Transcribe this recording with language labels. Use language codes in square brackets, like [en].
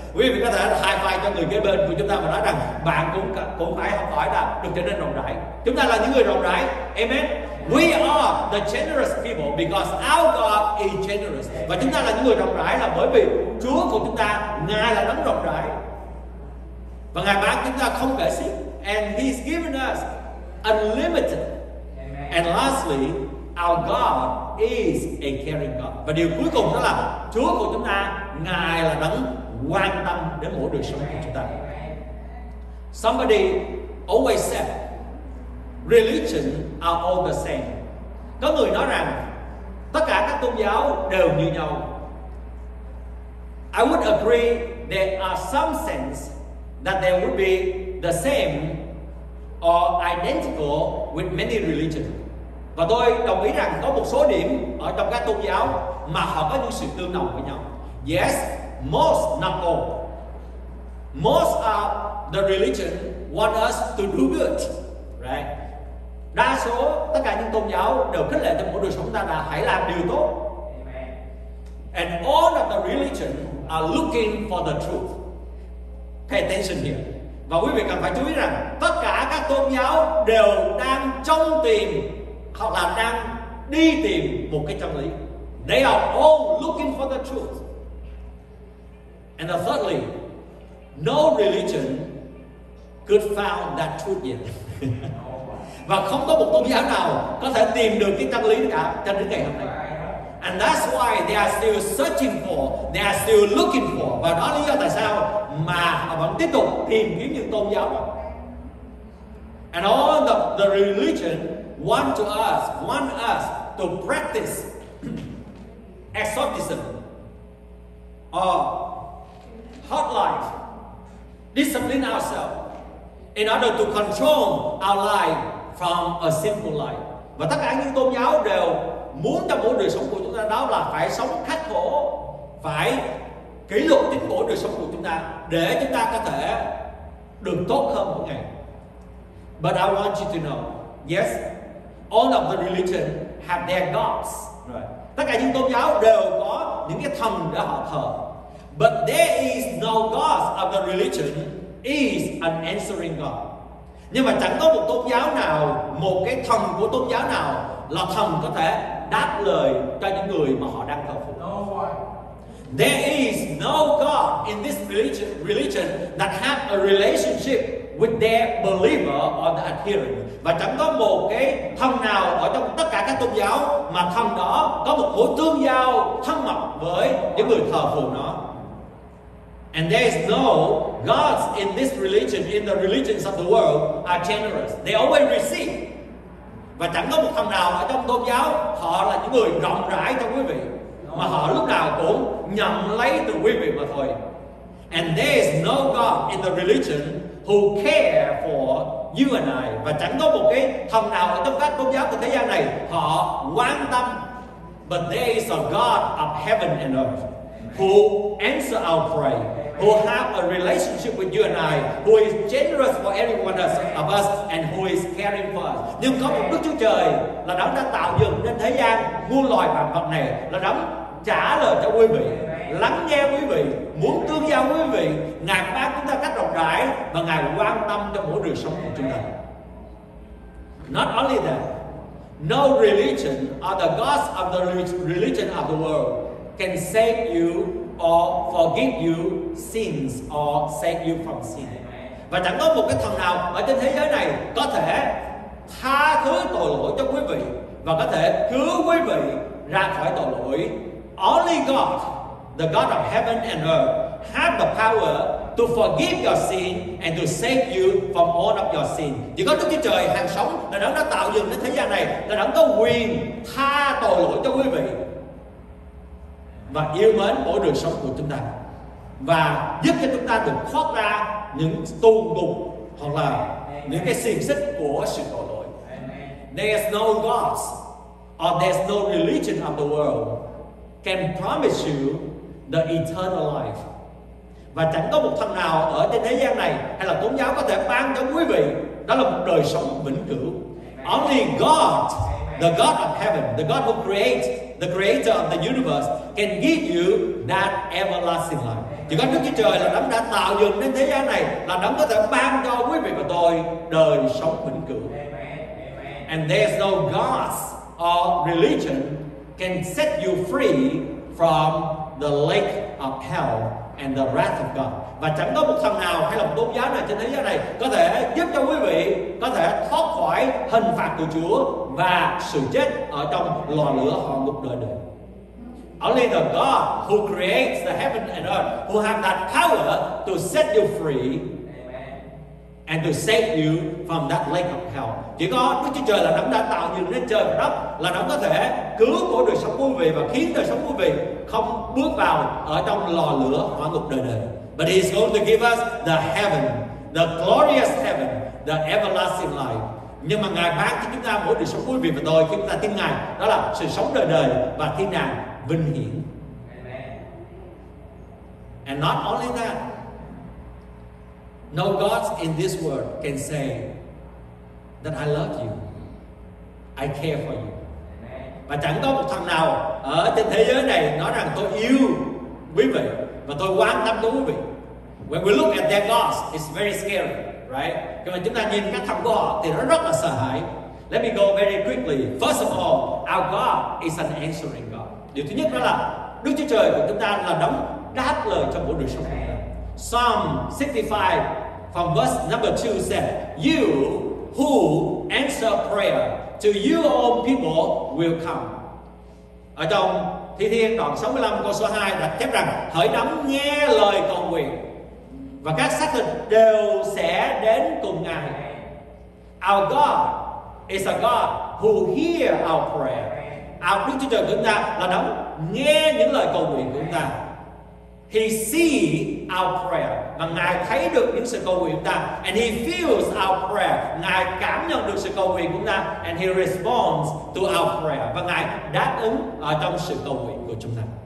[vi] Quý vị có thể [en] high five [vi] cho người kế bên của chúng ta và nói rằng bạn cũng phải học hỏi là được trở nên rộng rãi. Chúng ta là những người rộng rãi. Amen. [en] We are the generous people because our God is generous. [vi] Và chúng ta là những người rộng rãi là bởi vì Chúa của chúng ta, Ngài là đấng rộng rãi. Và Ngài ban chúng ta không kể xiết. [en] And He's given us unlimited. Amen. And lastly, our God is a caring God. [vi] Và điều cuối cùng đó là Chúa của chúng ta, Ngài là đấng quan tâm đến mỗi đời sống của chúng ta. [en] Somebody always said religion are all the same. [vi] Có người nói rằng tất cả các tôn giáo đều như nhau. [en] I would agree there are some sense that they would be the same or identical with many religions. [vi] Và tôi đồng ý rằng có một số điểm ở trong các tôn giáo mà họ có những sự tương đồng với nhau. [en] Yes, most, not all. Most of the religion want us to do good, right? [vi] Đa số tất cả những tôn giáo đều khích lệ cho mỗi đời sống chúng ta là hãy làm điều tốt. [en] And all of the religion are looking for the truth. Pay attention here. [vi] Và quý vị cần phải chú ý rằng tất cả các tôn giáo đều đang trông tìm hoặc là đang đi tìm một cái chân lý. [en] They are all looking for the truth. And thirdly, no religion could found that truth yet. [vi] Và không có một tôn giáo nào có thể tìm được cái chân lý cả cho đến ngày hôm nay. [en] And that's why they are still searching for, they are still looking for. [vi] Và đó lý do tại sao mà họ vẫn tiếp tục tìm kiếm những tôn giáo đó. [en] And all the religion want us to practice exorcism or hard life, discipline ourselves in order to control our life from a simple life. [vi] Và tất cả những tôn giáo đều muốn cho mỗi đời sống của chúng ta đó là phải sống khắc khổ, phải kỷ luật tính mỗi đời sống của chúng ta để chúng ta có thể được tốt hơn mỗi ngày. [en] But I want you to know, yes, all of the religion have their gods. Right. [vi] Tất cả những tôn giáo đều có những cái thần để họ thờ. [en] But there is no god of the religion is an answering god. [vi] Nhưng mà chẳng có một tôn giáo nào, một cái thần của tôn giáo nào là thần có thể đáp lời cho những người mà họ đang thờ phụng. [en] No one. There is no god in this religion that have a relationship with their believer or the adherent. [vi] Và chẳng có một cái thần nào ở trong tất cả các tôn giáo mà thần đó có một mối tương giao thân mật với những người thờ phụng nó. [en] And there is no gods in this religion, in the religions of the world, are generous. They always receive. [vi] Và chẳng có một thần nào ở trong tôn giáo họ là những người rộng rãi cho quý vị, mà họ lúc nào cũng nhận lấy từ quý vị mà thôi. [en] And there is no god in the religion who care for you and I. [vi] Và chẳng có một cái thần nào ở trong các tôn giáo của thế gian này họ quan tâm. [en] But there is a god of heaven and earth who answer our prayer, who have a relationship with you and I, who is generous for every one of us, and who is caring for us. [vi] Nhưng có một Đức Chúa Trời là đấng đã tạo dựng nên thế gian muôn loài vạn vật này, là đấng trả lời cho quý vị, lắng nghe quý vị, muốn tương giao quý vị, Ngài ban chúng ta cách rộng rãi và Ngài quan tâm cho mỗi đời sống của chúng ta. [en] Not only that, no religion or the gods of the religion of the world can save you or forgive you sins or save you from sin. [vi] Và chẳng có một cái thần nào ở trên thế giới này có thể tha thứ tội lỗi cho quý vị và có thể cứu quý vị ra khỏi tội lỗi. [en] Only God, the God of heaven and earth, have the power to forgive your sin and to save you from all of your sin. [vi] Chỉ có Đức Chúa Trời hàng sống là đấng đã tạo dựng đến thế gian này, là đấng có quyền tha tội lỗi cho quý vị và yêu mến mỗi đời sống của chúng ta và giúp cho chúng ta được thoát ra những tù ngục hoặc là những cái xiềng xích của sự tội lỗi. [en] There's no gods or there's no religion of the world can promise you the eternal life. [vi] Và chẳng có một thần nào ở trên thế gian này hay là tôn giáo có thể ban cho quý vị đó là một đời sống vĩnh cửu. [en] Only God, the God of heaven, the God who creates, the creator of the universe, can give you that everlasting life. [vi] Chỉ có Đức Chúa Trời là đấng đã tạo dựng nên thế gian này, là đấng có thể ban cho quý vị và tôi đời sống vĩnh cửu. [en] And there's no gods or religion can set you free from the lake of hell and the wrath of God. [vi] Và chẳng có một thần nào hay là một tôn giáo nào trên thế giới này có thể giúp cho quý vị có thể thoát khỏi hình phạt của Chúa và sự chết ở trong lò lửa hỏa ngục đời đời. [en] Only the God who creates the heaven and earth, who have that power to set you free and to save you from that lake of hell. [vi] Chỉ có Đức Chúa Trời là đấng đã tạo dựng nên trời và đất, là đấng có thể cứu mỗi đời sống quý vị và khiến đời sống quý vị không bước vào ở trong lò lửa hỏa ngục đời đời. [en] But he's going to give us the heaven, the glorious heaven, the everlasting life. [vi] Nhưng mà Ngài ban cho chúng ta mỗi đời sống quý vị và tôi khi chúng ta tin Ngài, đó là sự sống đời đời và thiên đàng vinh hiển. [en] And not only that, no gods in this world can say that I love you, I care for you. [vi] Amen. Và chẳng có một thằng nào ở trên thế giới này nói rằng tôi yêu quý vị và tôi quan tâm tới quý vị. [en] When we look at their gods, it's very scary, right? [vi] Khi mà chúng ta nhìn các thần của họ thì nó rất là sợ hãi. [en] Let me go very quickly. First of all, our God is an answering God. [vi] Điều thứ nhất đó là Đức Chúa Trời của chúng ta là đấng đáp lời cho mỗi đời sống của chúng ta. [en] Psalm 65 from verse number 2 said, "You who answer prayer to your own people will come." [vi] Ở trong Thi Thiên đoạn 65 câu số 2 đã chép rằng, hỡi đấng nghe lời cầu nguyện và các xác thịt đều sẽ đến cùng Ngài. [en] Our God is a God who hear our prayer. Our [vi] Đức Chúa Trời của chúng ta là đấng nghe những lời cầu nguyện của chúng ta. [en] He see our prayer. [vi] Và Ngài thấy được những sự cầu nguyện của chúng ta. [en] And He feels our prayer. [vi] Ngài cảm nhận được sự cầu nguyện của chúng ta. [en] And He responds to our prayer. [vi] Và Ngài đáp ứng ở trong sự cầu nguyện của chúng ta.